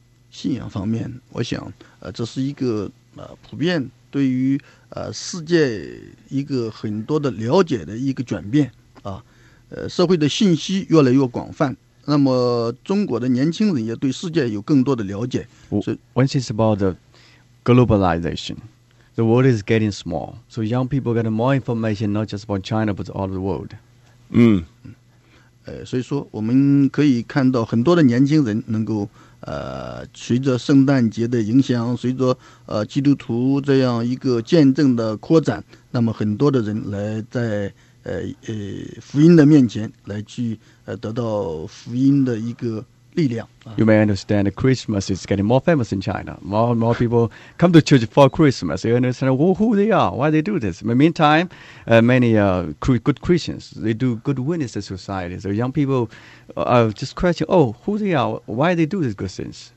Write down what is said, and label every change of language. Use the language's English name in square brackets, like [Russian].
[Chinese] 信仰方面，我想，这是一个普遍对于。世界一个很多的了解的一个转变，社会的信息越来越广泛，那么中国的年轻人也对世界有更多的了解。 [English] When it's about the globalization, the world is getting small, so young people get more information not just about China but all the world. [Chinese] 所以说我们可以看到很多的年轻人能够 随着圣诞节的影响，随着基督徒这样一个见证的扩展，那么很多的人来在福音的面前来去得到福音的一个力量。 [English] You may understand that Christmas is getting more famous in China. More and more people come to church for Christmas. You understand who they are, why they do this. In the meantime, many good Christians, they do good witness to society. So young people just question, who they are, why they do these good things.